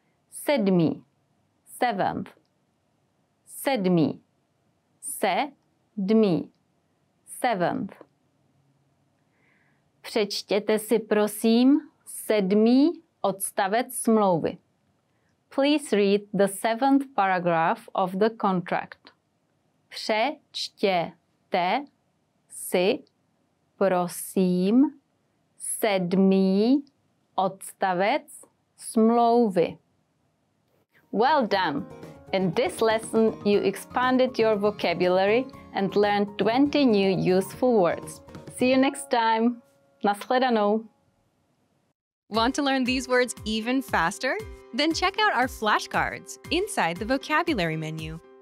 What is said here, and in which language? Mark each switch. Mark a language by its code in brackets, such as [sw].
[cs] Sedmý. [en] Seventh. [cs] Sedmý. Sedmý. [en] Seventh. [cs] Přečtěte si prosím sedmý odstavec smlouvy. [en] Please read the seventh paragraph of the contract. [cs] Přečtěte si prosím sedmý odstavec smlouvy. [en] Well done! In this lesson, you expanded your vocabulary and learned 20 new useful words. See you next time! [cs] Naschledanou! [en] Want to learn these words even faster? Then check out our flashcards inside the vocabulary menu.